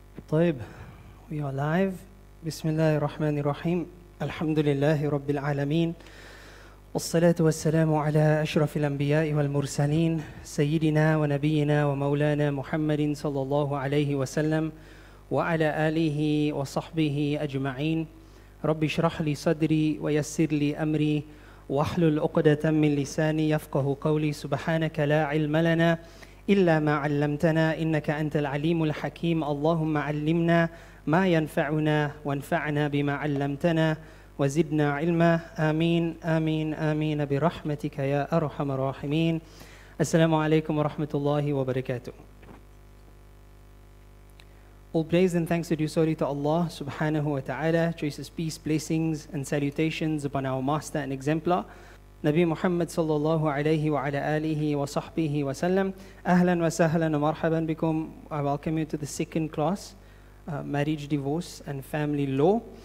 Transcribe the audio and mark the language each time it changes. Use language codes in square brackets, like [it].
[en] طيب we are live. [ar] بسم الله الرحمن الرحيم الحمد لله رب العالمين والصلاة والسلام على أشرف الأنبياء والمرسلين سيدنا ونبينا ومولانا محمد صلى الله عليه وسلم وعلى آله وصحبه أجمعين رب اشرح لي صدري ويسر لي أمري واحلل عقدة من لساني يفقه قولي سبحانك لا علم لنا إلا ما علمتنا إنك أنت العليم الحكيم اللهم علمنا ما ينفعنا وانفعنا بما علمتنا وزدنا علما آمين آمين آمين برحمتك يا أرحم الراحمين السلام عليكم ورحمة الله وبركاته. [en] All praise and thanks are due solely to Allah subhanahu wa ta'ala. Choices, peace, blessings and salutations upon our master and exemplar Nabi Muhammad sallallahu alayhi wa ala alihi wa sahbihi wa sallam. [ar] Ahlan wa sahlan wa marhaban bikum. [en] I welcome you to the second class, Marriage, Divorce and Family Law.